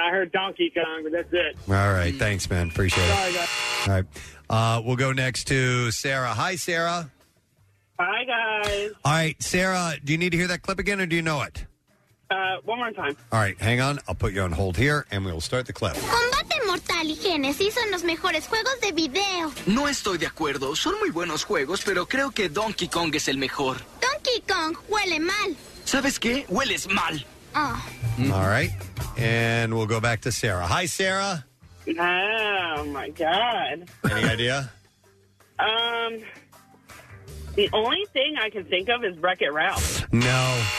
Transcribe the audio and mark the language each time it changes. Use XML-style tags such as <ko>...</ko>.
<en>I heard Donkey Kong, but that's it. All right, thanks, man. Appreciate it. Sorry, guys. All right, we'll go next to Sarah. Hi, Sarah. Hi, guys. All right, Sarah, do you need to hear that clip again, or do you know it? One more time. All right, hang on. I'll put you on hold here, and we'll start the clip.</en> <es>Combate Mortal y Genesis son los mejores juegos de video. No estoy de acuerdo. Son muy buenos juegos, pero creo que Donkey Kong es el mejor. Donkey Kong huele mal. ¿Sabes qué? Hueles mal.</es> <en>All right, and we'll go back to Sarah. Hi, Sarah. Oh, my God. Any idea? The only thing I can think of is Wreck-It Ralph. No.</en>